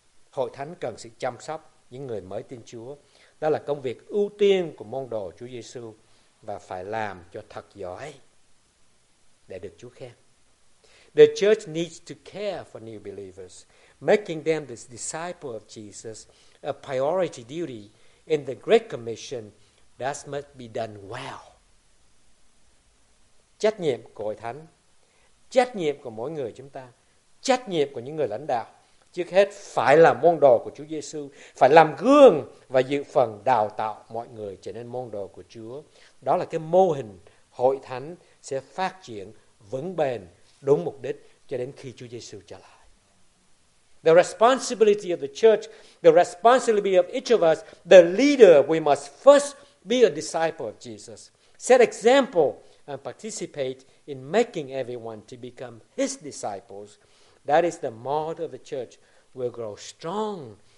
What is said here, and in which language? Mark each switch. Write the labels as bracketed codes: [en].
[vi] Hội thánh cần sự chăm sóc những người mới tin Chúa. Đó là công việc ưu tiên của môn đồ Chúa Giê-xu và phải làm cho thật giỏi để được Chúa khen. [en] The church needs to care for new believers, making them the disciple of Jesus, a priority duty in the Great Commission that must be done well. [vi] Trách nhiệm của hội thánh, trách nhiệm của mỗi người chúng ta, trách nhiệm của những người lãnh đạo, trước hết phải là môn đồ của Chúa Giê-xu, phải làm gương và dự phần đào tạo mọi người trở nên môn đồ của Chúa. Đó là cái mô hình hội thánh sẽ phát triển vững bền, đúng mục đích cho đến khi Chúa Giê-xu trở lại. [en] The responsibility of the church, the responsibility of each of us, the leader, we must first be a disciple of Jesus. Set example and participate in making everyone to become his disciples. That is the model of the church. We'll grow strong